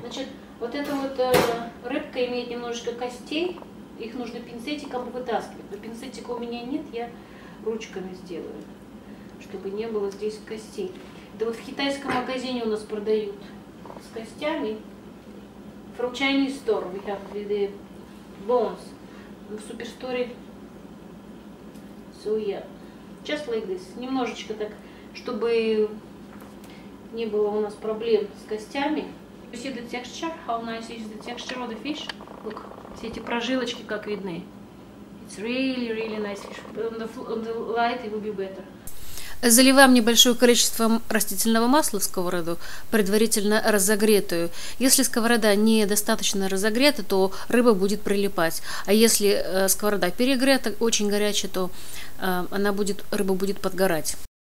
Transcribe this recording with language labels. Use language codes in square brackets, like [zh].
[ru] Значит, вот эта вот рыбка имеет немножечко костей. Их нужно пинцетиком вытаскивать. Но пинцетика у меня нет, я ручками сделаю, чтобы не было здесь костей. Это вот в китайском магазине у нас продают с костями. [en] From Chinese store we have the bones. [ru] В суперсторе. [en] So yeah. Just like this. [ru] Немножечко так, чтобы не было у нас проблем с костями. [en] You see the texture? How nice is the texture of the fish? Look. [ru] Все эти прожилочки, как видны. [en] It's really, really nice fish. On the light it will be better. [ru] Заливаем небольшое количество растительного масла в сковороду, предварительно разогретую. Если сковорода недостаточно разогрета, то рыба будет прилипать. А если сковорода перегрета, очень горячая, то рыба будет подгорать.